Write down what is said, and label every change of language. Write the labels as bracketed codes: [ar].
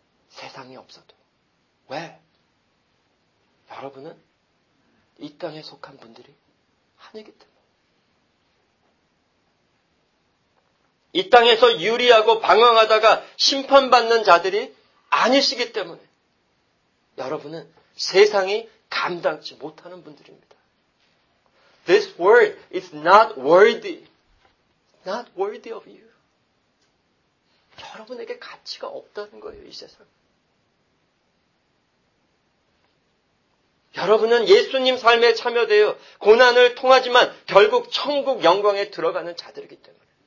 [ko] 세상이 없어도. 왜? 여러분은 이 땅에 속한 분들이 아니기 때문에. 이 땅에서 유리하고 방황하다가 심판받는 자들이 아니시기 때문에 여러분은 세상이 감당치 못하는 분들입니다. [en] This world is not worthy. Not worthy of you. [ko] 여러분에게 가치가 없다는 거예요, 이 세상. 여러분은 예수님 삶에 참여되어 고난을 통하지만 결국 천국 영광에 들어가는 자들이기 때문에.